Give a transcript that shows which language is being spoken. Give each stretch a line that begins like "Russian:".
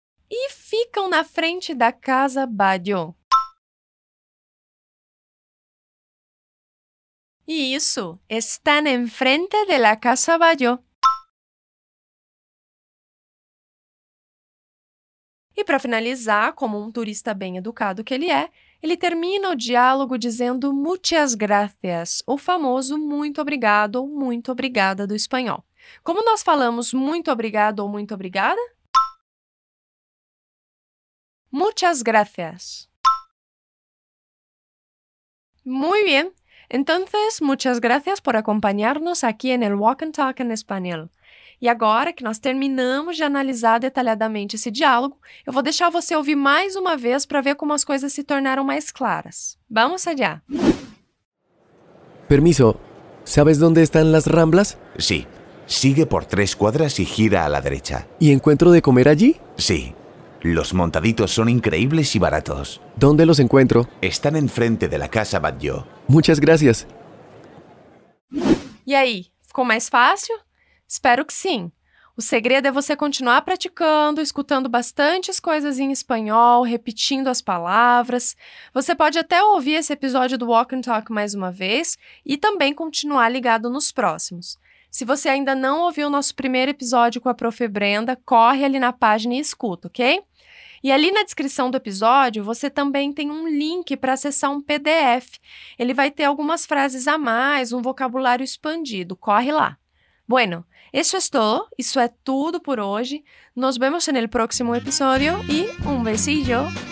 Portuguese: E ficam na frente da casa Batlló. E isso.
Spanish: Están en frente de la casa Batlló.
Portuguese: E para finalizar, como um turista bem educado que ele é, ele termina o diálogo dizendo
Spanish: muchas gracias,
Portuguese: o famoso muito obrigado ou muito obrigada do espanhol. Como nós falamos muito obrigado ou muito obrigada?
Spanish: Muchas gracias. Muy bien. Entonces, muchas gracias por acompañarnos aquí en el Walk and Talk en Español.
Portuguese: E agora que nós terminamos de analisar detalhadamente esse diálogo, eu vou deixar você ouvir mais uma vez para ver como as coisas se tornaram mais claras.
Spanish: Vamos allá. Permiso, ¿sabes dónde están las Ramblas? Sí, sigue por 3 cuadras y gira a la derecha. ¿Y encuentro de comer allí? Sí, los montaditos son increíbles y baratos. ¿Dónde los encuentro? Están enfrente de la Casa Batlló. Muchas gracias.
Portuguese: ¿Y ahí? ¿Ficó más fácil? Espero que sim. O segredo é você continuar praticando, escutando bastantes coisas em espanhol, repetindo as palavras. Você pode até ouvir esse episódio do Walk and Talk mais uma vez e também continuar ligado nos próximos. Se você ainda não ouviu o nosso primeiro episódio com a Profe Brenda, corre ali na página e escuta, ok? E ali na descrição do episódio, você também tem um link para acessar um PDF. Ele vai ter algumas frases a mais, um vocabulário expandido. Corre lá.
Spanish: Bueno, eso es todo. Eso es todo por hoy. Nos vemos en el próximo episodio y un besillo.